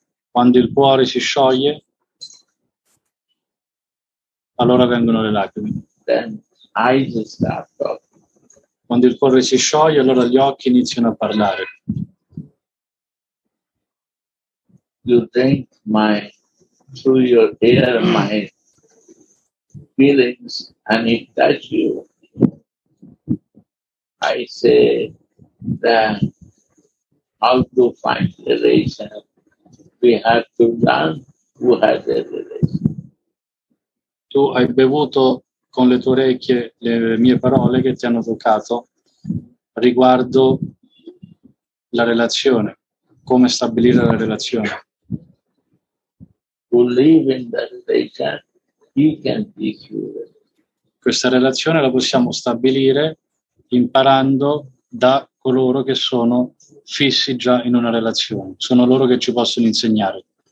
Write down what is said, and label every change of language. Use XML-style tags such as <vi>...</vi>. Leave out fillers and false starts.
<it>Quando il cuore si scioglie, allora vengono le lacrime.</it> <en>Then eyes start talking.</en> <it>Quando il cuore si scioglie, allora gli occhi iniziano a parlare.</it> <en>You think my through your ear my feelings and it touch you. I say that how to find relation? We have to learn who has a relation.</en> <it>Tu hai bevuto con le tue orecchie le mie parole che ti hanno toccato riguardo la relazione, come stabilire la relazione.</it> <en>who live in that relation, he can be cured.</en> <it>Questa relazione la possiamo stabilire imparando da coloro che sono fissi già in una relazione. Sono loro che ci possono insegnare.</it>